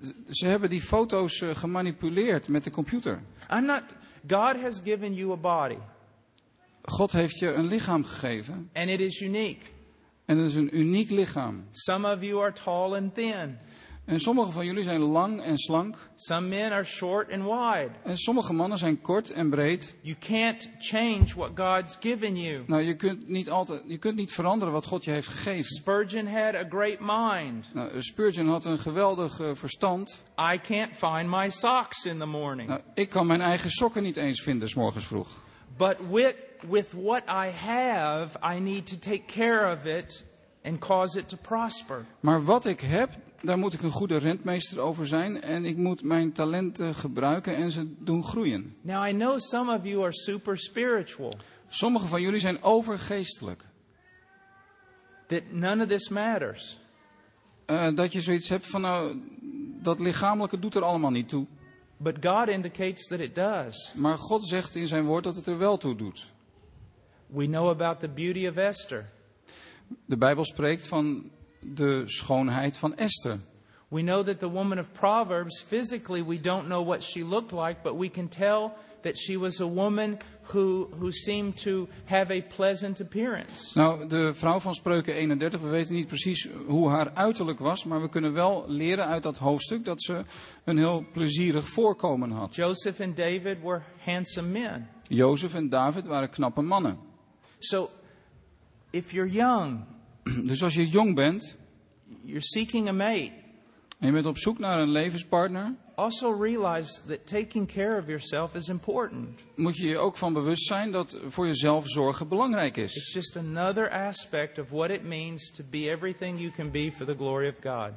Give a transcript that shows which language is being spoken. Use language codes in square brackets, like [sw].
[nl] Ze hebben die foto's gemanipuleerd met de computer. [en] I'm not, God has given you a body. [nl] God heeft je een lichaam gegeven. [en] And it is unique. [nl] En het is een uniek lichaam. [en] Some of you are tall and thin. [nl] En sommige van jullie zijn lang en slank. [en] Some men are short and wide. [nl] En sommige mannen zijn kort en breed. [en] You can't change what God's given you. [nl] Nou, je kunt niet veranderen wat God je heeft gegeven. [en] Spurgeon had a great mind. [nl] Nou, Spurgeon had een geweldig verstand. [en] I can't find my socks in the morning. [nl] Nou, ik kan mijn eigen sokken niet eens vinden 's morgens vroeg. [en] But with what I have, I need to take care of it and cause it to prosper. [nl] Maar wat ik heb, daar moet ik een goede rentmeester over zijn en ik moet mijn talenten gebruiken en ze doen groeien. [en] Now I know some of you are super spiritual. [nl] Sommige van jullie zijn overgeestelijk. [en] That none of this matters. [nl] Dat je zoiets hebt van nou, dat lichamelijke doet er allemaal niet toe. [en] But God indicates that it does. [nl] Maar God zegt in zijn woord dat het er wel toe doet. [en] We know about the beauty of Esther. [nl] De Bijbel spreekt van de schoonheid van Esther. [en] We know that the woman of Proverbs physically we don't know what she looked like, but we can tell that she was a woman who seemed to have a pleasant appearance. [nl] Nou, de vrouw van Spreuken 31, we weten niet precies hoe haar uiterlijk was, maar we kunnen wel leren uit dat hoofdstuk dat ze een heel plezierig voorkomen had. [en] Joseph and David were handsome men. [nl] Jozef en David waren knappe mannen. [en] So if you're young, [nl] dus als je jong bent, [en] you're seeking a mate. [nl] En je bent op zoek naar een levenspartner. [en] Also realize that taking care of yourself is important. [nl] Moet je je ook van bewust zijn dat voor jezelf zorgen belangrijk is. [en] It's just another aspect of what it means to be everything you can be for the glory of God.